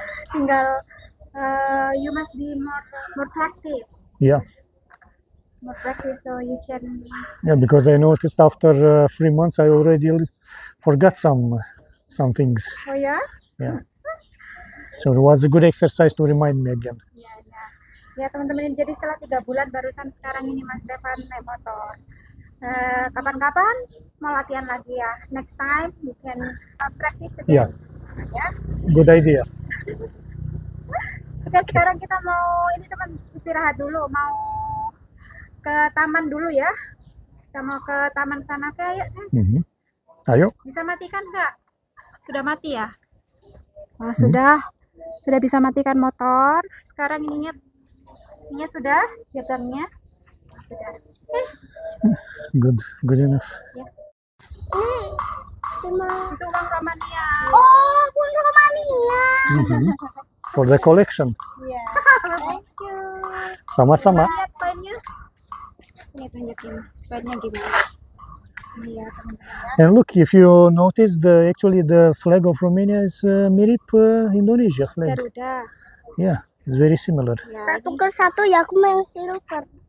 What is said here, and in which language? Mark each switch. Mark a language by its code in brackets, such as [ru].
[en] Tinggal you must be more practice. Yeah. More practice so you can. Yeah, because I noticed after 3 months I already forgot some things. [id] Oh ya? [en] Yeah. So it was a good exercise to remind me again. [id] Ya teman-teman, jadi setelah 3 bulan barusan sekarang ini Mas Stefan naik motor. Kapan-kapan mau latihan lagi ya. [en] Next time you can practice again. Yeah. [id] Ya. [en] Good idea. [id] Oke, okay. Sekarang kita mau ini teman istirahat dulu, mau ke taman dulu ya. Kita mau ke taman sana, oke, ayo. Ayo. Bisa matikan enggak? Sudah mati ya? Oh, sudah. Sudah bisa matikan motor. Sekarang ininya nya sudah jadarnya sudah [en] good enough [id] ya. Itu uang Romania. Oh, uang Romania. [en] For the collection. Yeah. Thank you. [id] Sama-sama. Lihat poinnya. Ini tunjukin poinnya gimana. [en] Yeah, and look, if you notice, the flag of Romania is mirip Indonesia flag. [id] Garuda. [en] Yeah. It's very similar. [id] Ya, tukar satu ya, aku mau yang silver.